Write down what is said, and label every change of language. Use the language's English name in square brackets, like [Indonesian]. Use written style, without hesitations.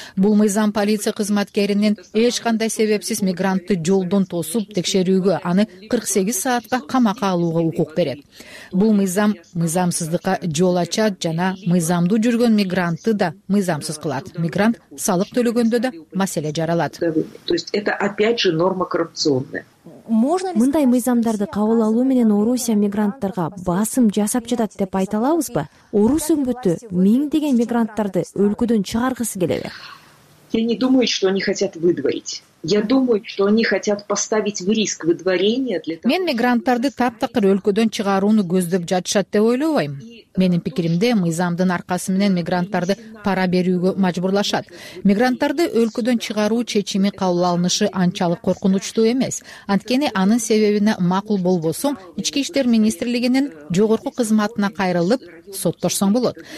[Kyrgyz] Бул мыйзам полиция кызматкеринин эч кандай себепсиз мигрантты жолдон тосуп текшерүүгө, аны 48 саатка камакка алууга укук берет. Бул мыйзам мыйзамсыздыкка жол ачат жана мыйзамдуу жүргөн мигрантты да мыйзамсыз кылат. Мигрант салык төлөгөндө да маселе жаралат. [Russian] То есть это опять же норма коррупционная. [Kyrgyz] Мындай мыйзамдарды кабыл алуу менен Орусия мигранттарга басым жасап жатат деп айта алабызбы? Орус өкмөтү миңдеген мигранттарды өлкөдөн чыгаргысы келеби? [Russian] Я не думаю, что они хотят выдворить. Я думаю, что они хотят поставить в риск выдворение для того. [Kyrgyz] Мен мигранттарды таптакыр өлкөдөн чыгарууну көздөп жатышат деп ойлобойм. Менин пикиримде мыйзамдын аркасы менен мигранттарды пара берүүгө мажбурлашат. Мигранттарды өлкөдөн чыгаруу чечими кабыл алынышы анчалык коркунучтуу эмес. Анткени анын себебине макул болбосоң, ички иштер министрлигинин жогорку кызматына кайрылып, соттошсоң болот.